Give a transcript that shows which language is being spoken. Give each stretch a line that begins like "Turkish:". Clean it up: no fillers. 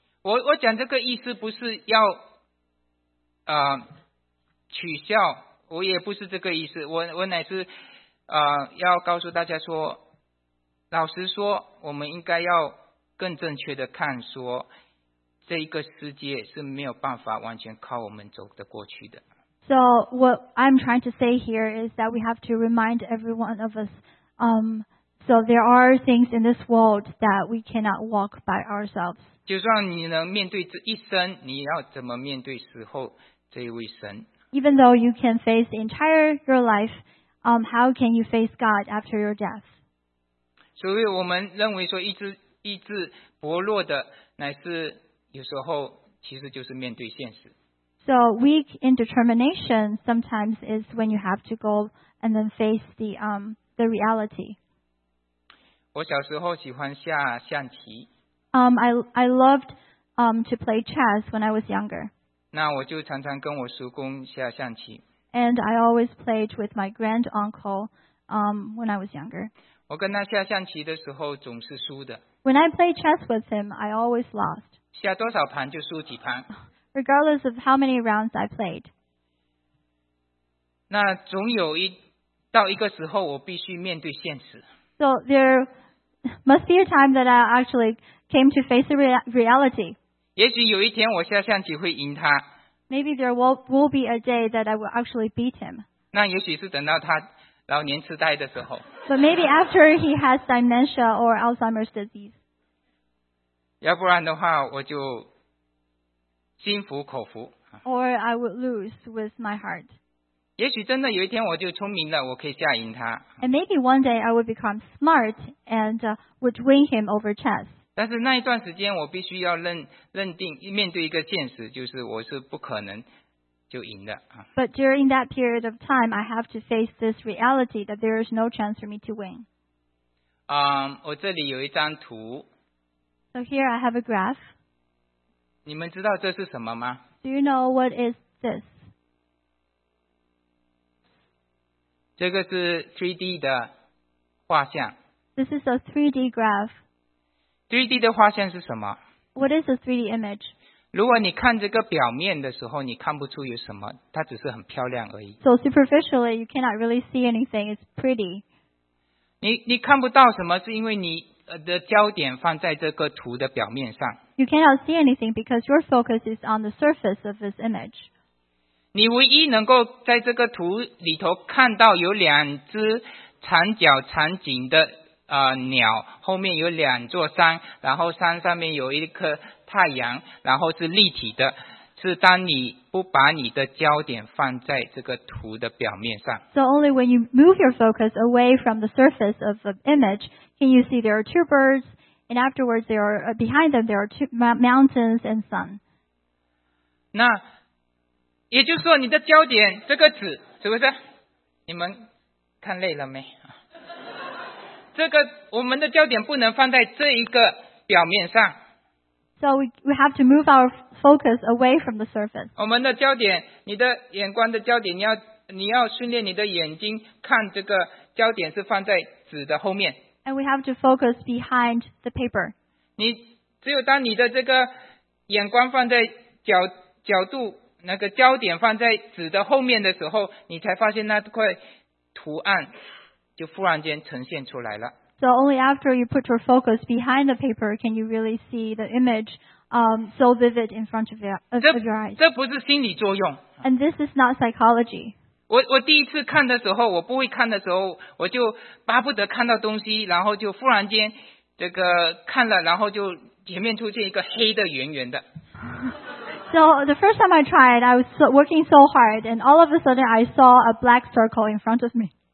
Chinese: 我讲这个意思不是要取笑，我也不是这个意思。我乃是要告诉大家说，老实说，我们应该要更正确的看说，这一个世界是没有办法完全靠我们走得过去的。
English: So what I'm trying to say here is that we have to remind everyone of us. So there are things in this world that we cannot walk by ourselves.
Chinese: 就算你能面对这一生，你要怎么面对死后这一位神？
English: Even though you can face the entire your life, how can you face God after your death?
Chinese: 所以我们认为说意志薄弱的，乃是有时候其实就是面对现实。
English: So weak in determination sometimes is when you have to go and then face the reality.
Chinese: 我小时候喜欢下象棋。
English: I loved to play chess when I was younger.
Chinese: 那我就常常跟我叔公下象棋。
English: And I always played with my grand uncle when I was younger.
Chinese: 我跟他下象棋的时候总是输的。
English: When I played chess with him, I always lost.
Chinese: 下多少盘就输几盘。
English: Regardless of how many rounds I played.
Chinese: 那总有一到一个时候，我必须面对现实。
English: So there must be a time that I actually came to face the reality.
Chinese: 也许有一天我下象棋会赢他。
English: Maybe there will be a day that I will actually beat him.
Chinese: 那也许是等到他老年痴呆的时候。
English: But maybe after he has dementia or Alzheimer's disease.
Chinese: 要不然的话，我就心服口服。
English: Or I would lose with my heart.
Chinese: 也许真的有一天我就聪明了，我可以下赢他。
English: And maybe one day I would become smart and would win him over chess.
Chinese: 但是那一段时间我必须要认定面对一个现实，就是我是不可能就赢的。
English: But during that period of time, I have to face this reality that there is no chance for me to win.
Chinese: 我这里有一张图。
English: So here I have a graph.
Chinese: 你们知道这是什么吗？
English: Do you know what is this?
Chinese: 这个是 3D 的画像。
English: This is a 3D graph.
Chinese: 3D 的画像是什么？
English: What is a 3D image?
Chinese: 如果你看这个表面的时候，你看不出有什么，它只是很漂亮而已。
English: So superficially, you cannot really see anything. It's pretty.
Chinese: 你看不到什么，是因为你的焦点放在这个图的表面上。
English: You cannot see anything because your focus is on the surface of this image.
Chinese: 你唯一能够在这个图里头看到有两只长脚长颈的鸟，后面有两座山，然后山上面有一颗太阳，然后是立体的，是当你不把你的焦点放在这个图的表面上。
English: So only when you move your focus away from the surface of the image, can you see there are two birds, and afterwards there are, behind them there are two mountains and sun.
Chinese: 那也就是说你的焦点这个纸是不是你们看累了没这个我们的焦点不能放在这一个表面上
English: So we have to move our focus away from the surface
Chinese: 我们的焦点你的眼光的焦点你要训练你的眼睛看这个焦点是放在纸的后面
English: And we have to focus behind the paper
Chinese: 你只有当你的这个眼光放在 角度那个焦点放在纸的后面的时候你才发现那块图案就忽然间呈现出来了
English: So only after you put your focus behind the paper can you really see the image、so vivid in front of your eyes
Chinese: 这不是心理作用
English: And this is not psychology
Chinese: 我第一次看的时候我不会看的时候我就巴不得看到东西然后就忽然间这个看了然后就前面出现一个黑的圆圆的
English: So the first time I tried, I was working so hard, and all of a sudden I saw a black circle in front of me.